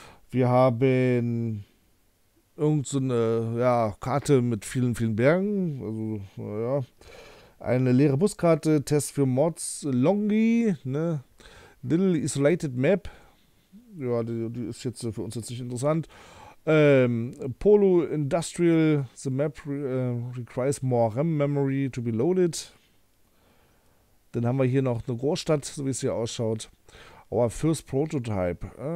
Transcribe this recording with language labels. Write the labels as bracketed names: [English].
[German] Wir haben irgendeine ja, Karte mit vielen, vielen Bergen. Also, ja. Eine leere Buskarte, Test für Mods, Longi, ne? Little Isolated Map. Ja, die ist jetzt für uns jetzt nicht interessant. [English] Polo Industrial, the map requires more RAM memory to be loaded. [German] Dann haben wir hier noch eine Großstadt, so wie es hier ausschaut. [English] Our first prototype.